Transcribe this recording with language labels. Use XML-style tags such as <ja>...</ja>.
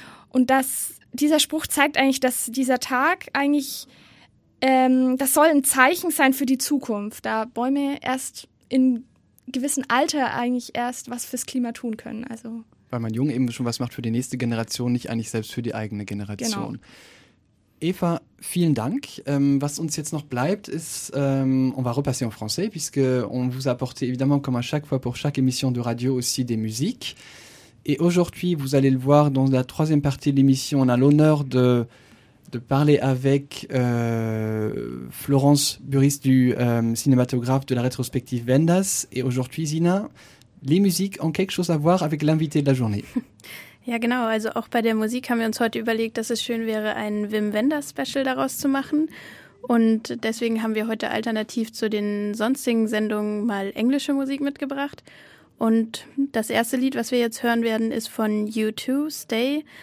<de>Und dieser Spruch zeigt eigentlich, dass dieser Tag eigentlich das soll ein Zeichen sein für die Zukunft, da Bäume erst in gewissem Alter eigentlich erst was fürs Klima tun können. Also weil man jung eben schon was macht für die nächste Generation, nicht eigentlich selbst für die eigene Generation. Genau. Eva, vielen Dank. Was uns jetzt noch bleibt, ist,</de> <fr>on va repasser en français, puisque on vous apporte évidemment, comme à chaque fois pour chaque émission de radio, aussi des musiques. Et aujourd'hui, vous allez le voir, dans la troisième partie de l'émission, on a l'honneur de parler avec Florence Buris du cinématographe de la rétrospective Vendas. Et aujourd'hui, Zina, les musiques ont quelque chose à voir avec l'invité de la journée.</fr> <de>Ja, genau. Also auch bei der Musik haben wir uns heute überlegt, dass es schön wäre, ein Wim Wenders-Special daraus zu machen. Und deswegen haben wir heute alternativ zu den sonstigen Sendungen mal englische Musik mitgebracht. Und das erste Lied, was wir jetzt hören werden, ist von U2, Stay.</de>